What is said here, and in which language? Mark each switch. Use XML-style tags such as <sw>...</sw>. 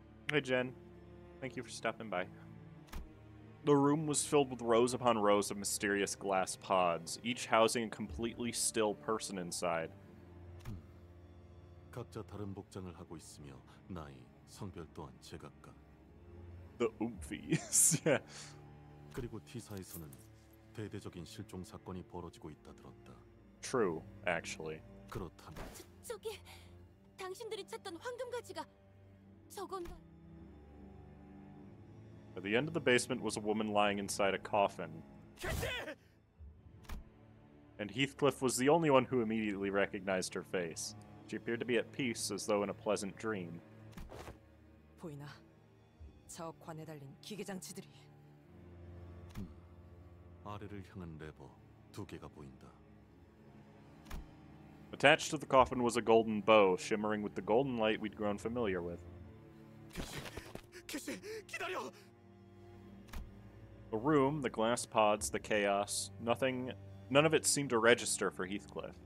<en>Hey Jen, thank you for stopping by. The room was filled with rows upon rows of mysterious glass pods, each housing a completely still person inside.</en> <ko>각자 다른 복장을 하고 있으며 나이, 성별 또한 제각각.</ko> <en>The Oomphies. Yeah.</en> <ko>그리고 T사에서는 대대적인 실종 사건이 벌어지고 있다 들었다.</ko> <en>True, actually.</en> <ko>그렇다면 저기 당신들이 찾던 황금 가지가 저건가?</ko> <en>At the end of the basement was a woman lying inside a coffin. And Heathcliff was the only one who immediately recognized her face. She appeared to be at peace, as though in a pleasant dream.</en> <ko>보이나? 저 관에 달린 기계 장치들이. 아래를 향한 레버 두 개가 보인다.</ko> <en>Attached to the coffin was a golden bow, shimmering with the golden light we'd grown familiar with.</en> <ko>캐시, 기다려!</ko> <en>The room, the glass pods, the chaos, nothing, none of it seemed to register for Heathcliff.</en>